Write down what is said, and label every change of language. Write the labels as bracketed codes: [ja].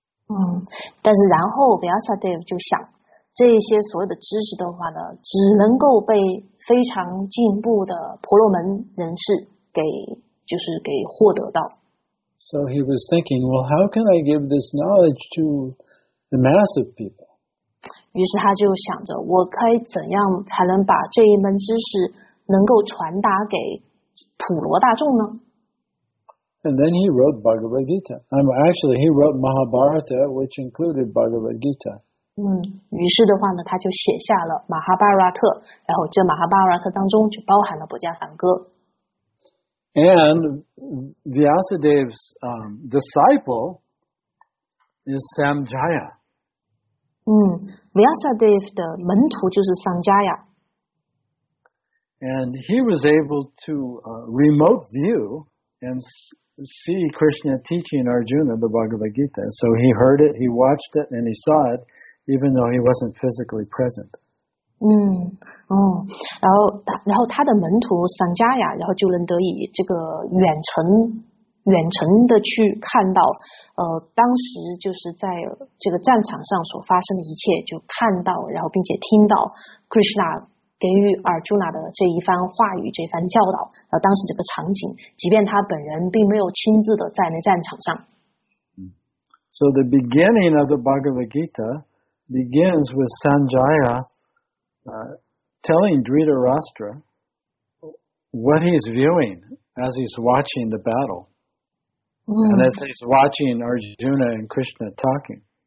[zh] 嗯，但是然后 Vyasadeva 就想，这些所有的知识的话呢，只能够被非常进步的婆罗门人士给获得到。 [en] So he was thinking, well, how can I give this knowledge to the mass of people? [zh] 于是他就想着，我该怎样才能把这一门知识能够传达给普罗大众呢？ [en] And then he wrote Bhagavad Gita. Actually, he wrote Mahabharata, which included Bhagavad Gita. [zh] 嗯，于是的话呢，他就写下了马哈巴拉特，然后这马哈巴拉特当中就包含了《薄伽梵歌》。 [en] And Vyasadeva's disciple is Sanjaya. [zh] 嗯 ，Vyasadeva 的门徒就是 Sanjaya。 [en] And he was able to remote view and see Krishna teaching Arjuna the Bhagavad Gita. So he heard it, he watched it, and he saw it. Even though he wasn't physically present. [zh] 嗯，哦，然后他的门徒 Sanjaya， 然后就能得以这个远程的去看到，当时就是在这个战场上所发生的一切，就看到，然后并且听到 Krishna 给予 Arjuna 的这一番话语、这番教导，然后当时这个场景，即便他本人并没有亲自的在那战场上。 [en] So the beginning of the Bhagavad Gita. Begins with Sanjaya telling Dhritarashtra what he's viewing as he's watching the battle,、嗯、 and as he's watching Arjuna and Krishna talking.